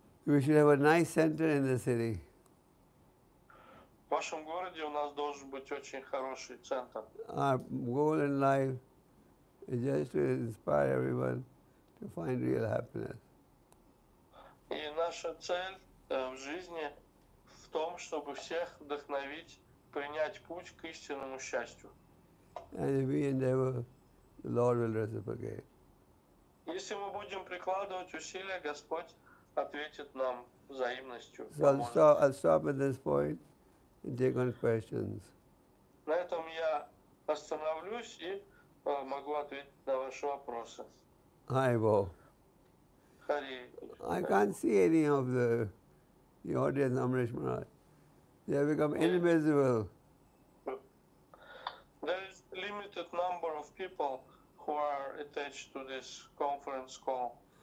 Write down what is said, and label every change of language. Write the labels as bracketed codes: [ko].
[en] We should have a nice center in the city. [ru] В вашем городе у нас должен быть очень хороший центр. [en] Our goal in life is just to inspire everyone to find real happiness. [ru] И наша цель в жизни в том, чтобы всех вдохновить, принять путь к истинному счастью. [en] And if we endeavor, the Lord will reciprocate. [ru] Если мы будем прикладывать усилия, Господь ответит нам взаимностью. [en] So I'll stop at this point and take on questions. [ru] На этом я остановлюсь и могу ответить на ваши вопросы. [en] Hi, Bo. Hare. I can't see any of the audience, Amrish Maharaj. They have become invisible. There is a limited number of people who are attached to this conference call.